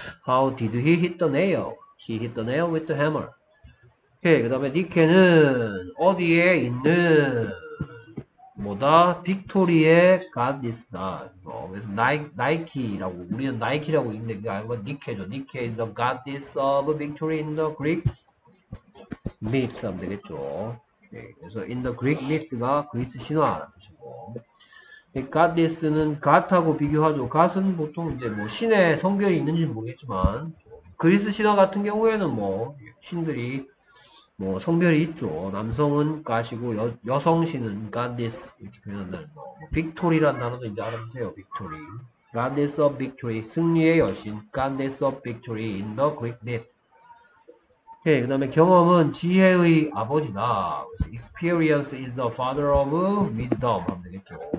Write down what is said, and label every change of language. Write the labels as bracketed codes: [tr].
[en] How did he hit the nail? He hit the nail with the hammer. 오케이. [ko] 그 다음에 니케는 어디에 있는 뭐다? 빅토리의 goddess다. 그래서 나이키라고, 우리는 나이키라고 읽는데, 그게 아니고 니케죠. [en] 니케 is the goddess of victory in the Greek myth [ko] 하면 되겠죠. 오케이. 그래서 [en] in the Greek myth [ko] 가 그리스 신화라는 뜻이고. goddess는 god하고 비교하죠. god은 보통 이제 뭐 신의 성별이 있는지 모르겠지만, 그리스 신화 같은 경우에는 뭐 신들이 뭐 성별이 있죠. 남성은 가시고 여성신은 goddess 이렇게 표현한다는 거. 빅토리란 단어도 이제 알아두세요. [en] 빅토리, goddess of victory, [ko] 승리의 여신, [en] goddess of victory in the Greek myth. 오케이. [ko] 그다음에 경험은 지혜의 아버지다. [en] Experience is the father of wisdom [ko] 하면 되겠죠.